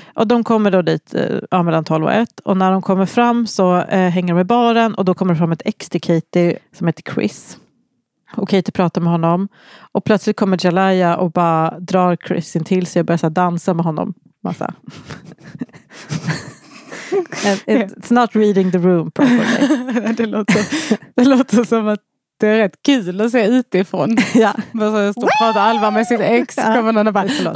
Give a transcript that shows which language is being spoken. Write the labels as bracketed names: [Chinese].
[Swedish] Och de kommer då dit mellan 12 och 1. Och när de kommer fram så hänger de i baren. Och då kommer fram ett ex till Katie som heter Chris. Och Katie pratar med honom. Och plötsligt kommer Jelaya och bara drar Chris in till sig och börjar så här, dansa med honom. Massa. [English] It's not reading the room properly. [Swedish] det låter som att det är rätt kul att se utifrån. Ja. Men så står och pratar Alva med sitt ex. Kommer någon och bara, förlåt.